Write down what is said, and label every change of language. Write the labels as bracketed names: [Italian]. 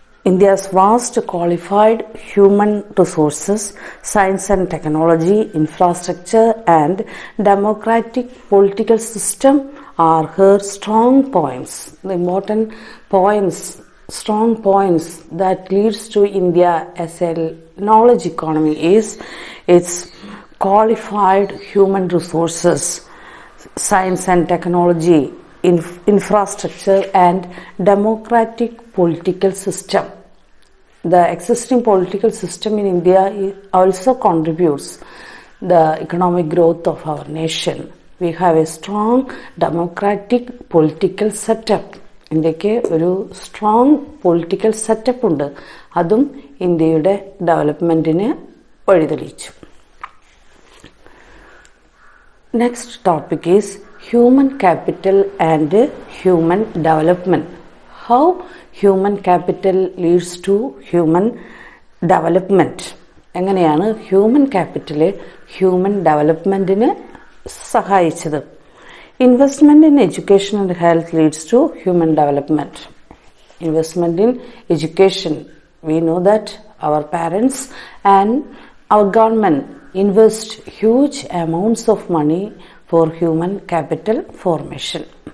[English] India's vast qualified human resources science and technology infrastructure and democratic political system are her strong points. The important points, strong points that leads to India as a knowledge economy is its qualified human resources, science and technology, infrastructure and democratic political system. The existing political system in India also contributes the economic growth of our nation. We have a strong democratic political setup. [Malayalam] ഇന്ത്യക്ക് ഒരു strong political setup ഉണ്ട്. അതും ഇന്ത്യയുടെ ഡെവലപ്മെൻറ്റിന് വഴിതെളിച്ചു. [English] Next topic is human capital and human development. How human capital leads to human development. [Malayalam] എങ്ങനെയാണ് human capital human ഡെവലപ്മെൻറ്റിന് സഹായിച്ചത്? [English] Investment in education and health leads to human development. Investment in education, we know that our parents and our government invest huge amounts of money for human capital formation.